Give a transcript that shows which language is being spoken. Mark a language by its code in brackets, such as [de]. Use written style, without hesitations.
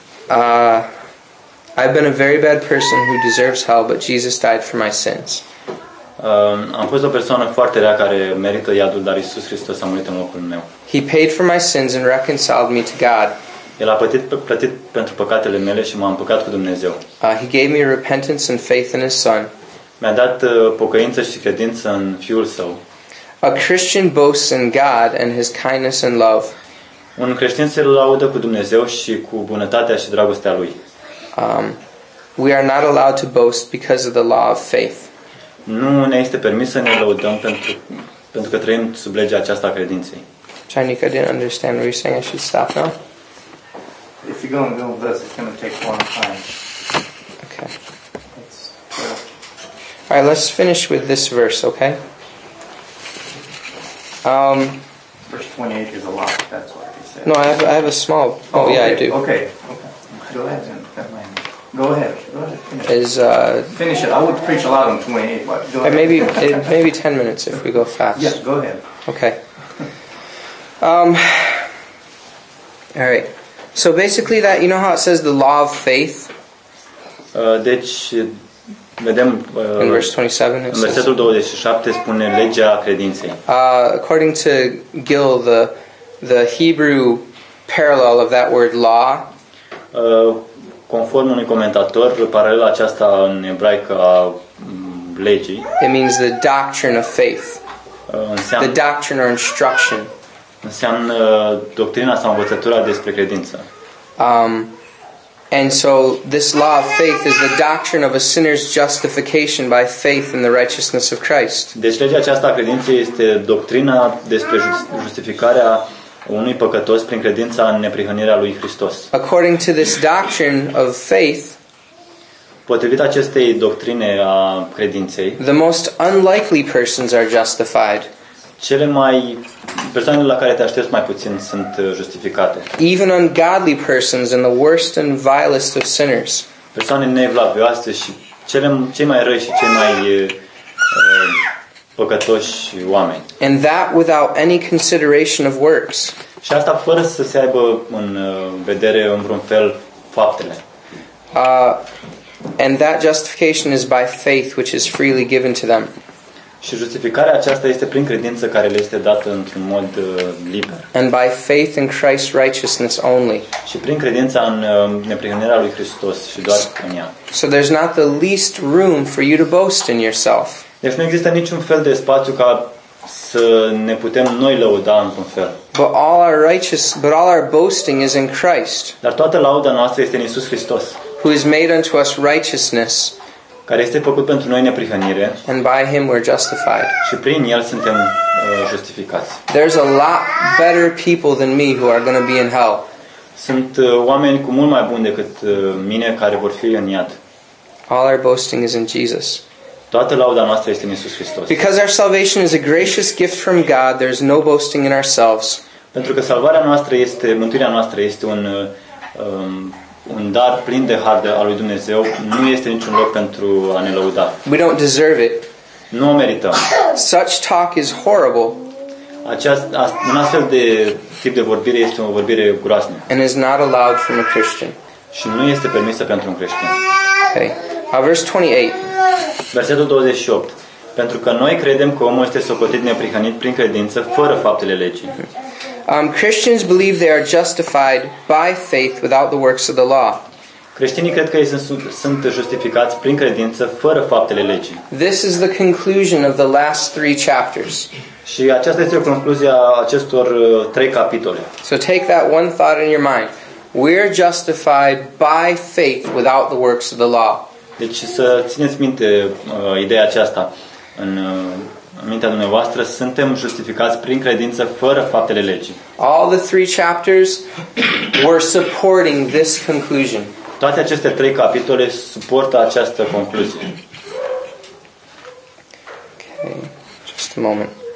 [en] I've been a very bad person who deserves hell, but Jesus died for my sins. [ro] Am fost o persoană foarte rea care merită iadul, dar Iisus Hristos a murit în locul meu. [en] He paid for my sins and reconciled me to God. [ro] El a plătit pentru păcatele mele și m-a împăcat cu Dumnezeu. [en] He gave me repentance and faith in his son. [ro] Mi-a dat pocăință și credință în fiul său. [en] A Christian boasts in God and his kindness and love. [ro] Un creștin se laudă cu Dumnezeu și cu bunătatea și dragostea lui. [en] We are not allowed to boast because of the law of faith. [ro] Nu ne este permis să ne laudăm pentru că trăim sub legea aceasta a credinței. [en] Chinica didn't understand what you're saying. I should stop now. If you go and build this, it's going to take a long time. Okay. All right, let's finish with this verse, okay? Verse 28 is a lot. That's why. No, I have a small. Oh okay. Yeah, I do. Okay. Go ahead. Finish it. I would preach a lot on 28, but go ahead. Maybe 10 minutes if we go fast. Yes, go ahead. Okay. All right. So basically, that you know how it says the law of faith. [ro] Deci, vedem. [en] In verse 27. [ro] În versetul 27 spune legea credinței. [en] According to Gill, the Hebrew parallel of that word law, [ro] conform unui comentator, paralela aceasta în ebraică a legii, [en] it means the doctrine of faith, [ro] înseamnă, [en] the doctrine or instruction, [ro] înseamnă doctrina sau învățătura despre credință. [en] And so this law of faith is the doctrine of a sinner's justification by faith in the righteousness of Christ. [ro] Deci legea aceasta a credinței este doctrina despre justificarea unui păcătos prin credința în neprihănirea lui Hristos. [en] According to this doctrine of faith, [ro] potrivit acestei doctrine a credinței, [en] the most unlikely persons are justified. [ro] Cele mai persoanele la care te aștepți mai puțin sunt justificate. [en] Even ungodly persons and the worst and vilest of sinners. [ro] Persoane neevlavioase și cei mai răi și cei mai păcătoși oameni. [en] And that without any consideration of works. [ro] Și asta fără să se aibă în vedere în vreun fel faptele. [en] And that justification is by faith which is freely given to them. [ro] Și justificarea aceasta este prin credință care le este dată într-un mod liber. [en] And by faith in Christ's righteousness only. [ro] Și prin credința în neprihănirea lui Hristos și doar în ea. [en] So there's not the least room for you to boast in yourself. [ro] Deci nu există niciun fel de spațiu ca să ne putem noi lăuda într-un fel. [en] But all our boasting is in Christ. [ro] Dar toată lauda noastră este în Iisus Hristos. [en] Who is made unto us righteousness. [ro] Care este făcut pentru noi neprihănire. [en] And by him we're justified. [ro] Și prin el suntem justificați. [en] There's a lot better people than me who are going to be in hell. [ro] Sunt oameni cu mult mai buni decât mine care vor fi în iad. [en] All our boasting is in Jesus. [ro] Toată lauda noastră este în Iisus Hristos. [en] Because our salvation is a gracious gift from God, there's no boasting in ourselves. [ro] Pentru că salvarea noastră este, mântuirea noastră este un un dar plin de har al lui Dumnezeu nu este niciun loc pentru a ne lăuda. [en] We don't deserve it. [ro] Nu o merităm. [en] Such talk is horrible. [ro] Un astfel de tip de vorbire este o vorbire groaznică. [en] And is not allowed from a Christian. [ro] Și nu este permisă pentru un creștin. [en] Okay. Verse 28. [ro] Versetul 28. Pentru că noi credem că omul este socotit neprihănit prin credință fără faptele legii. [en] Christians believe they are justified by faith without the works of the law. [ro] Creștinii cred că ei sunt justificați prin credință fără faptele legii. [en] This is the conclusion of the last three chapters. [ro] Și aceasta este o concluzie a acestor trei capitole. [en] So take that one thought in your mind. We're justified by faith without the works of the law. [ro] Deci să țineți minte ideea aceasta în mintea dumneavoastră, suntem justificați prin credință fără faptele legii. [en] All the three chapters were supporting this conclusion. [ro] Toate aceste trei capitole suportă această concluzie. [en] Okay, just a moment.